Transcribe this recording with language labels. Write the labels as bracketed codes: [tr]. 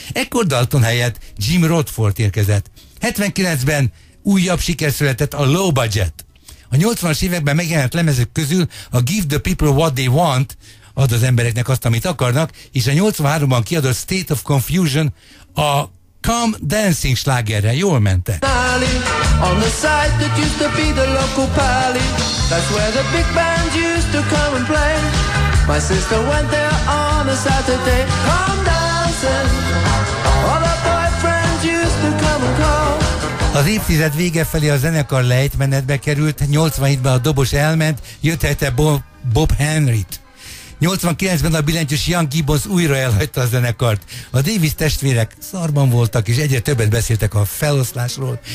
[hu] Ekkor Dalton helyett Jim Rutherford érkezett. 79-ben újabb siker született, a Low Budget. A 80-as években megjelent lemezek közül a Give the People What They Want, ad az embereknek azt, amit akarnak, és a 83-ban kiadott State of Confusion a Come Dancing slágerrel jól mentek. [en] On the side that used to be the local pally, that's where the big band used to come and play. My sister went there on a Saturday, come dancing. All our boyfriends used to come and call. [hu] Az évtized vége felé a zenekar lejtmenetbe került, 87-ben a dobos elment, jött helyette Bob Henryt. 89-ben a billentyűs Young Gibbons újra elhagyta a zenekart. A Davis testvérek szarban voltak, és egyre többet beszéltek a feloszlásról.